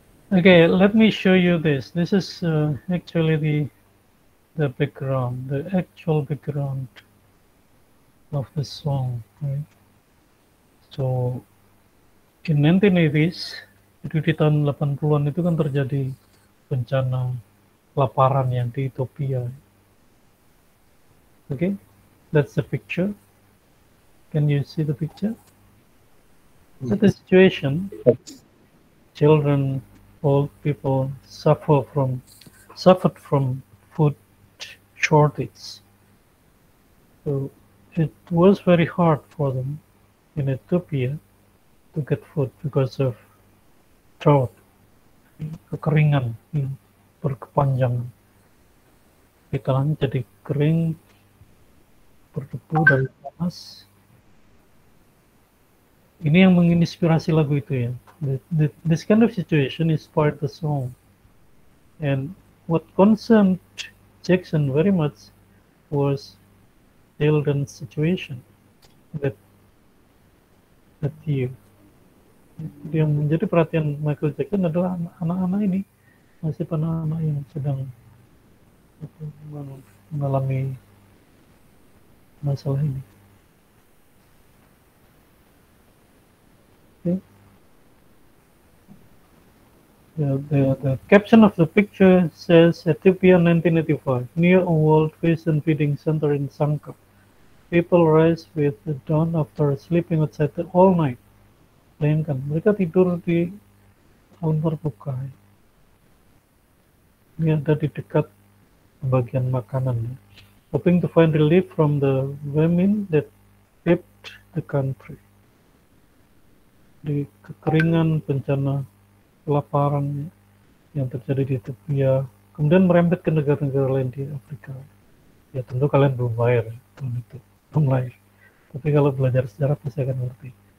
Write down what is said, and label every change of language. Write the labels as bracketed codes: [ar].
[en] okay, let me show you this. This is actually the background, the actual background of the song, right? So in 1980s, [id] 80-an itu kan terjadi bencana kelaparan yang di Ethiopia. [en] Okay, that's the picture. Can you see the picture? Yes. The situation, children, old people suffer from suffered from food shortage. So it was very hard for them in Ethiopia to get food because of drought, [id] kekeringan, berkepanjangan. Di tanah jadi kering, berdebu dan panas. Ini yang menginspirasi lagu itu ya. [en] This kind of situation inspired the song. And what concerned Jackson very much was Dylan's situation that you. [id] Yang menjadi perhatian Michael Jackson adalah anak-anak ini, masih anak-anak yang sedang mengalami masalah ini. [en] The caption of the picture says Ethiopia 1985, near a world prison feeding center in Sanka. People rise with the dawn after sleeping outside all night. [id] Bayangkan, mereka tidur di alam terbuka. Ini ada di dekat bagian makanan. [en] Hoping to find relief from the famine that gripped the country. [id] Di kekeringan, bencana, kelaparan yang terjadi di Ethiopia, kemudian merembet ke negara-negara lain di Afrika. Ya tentu kalian belum lahir tahun itu, belum lahir. Tapi kalau belajar sejarah pasti akan ngerti.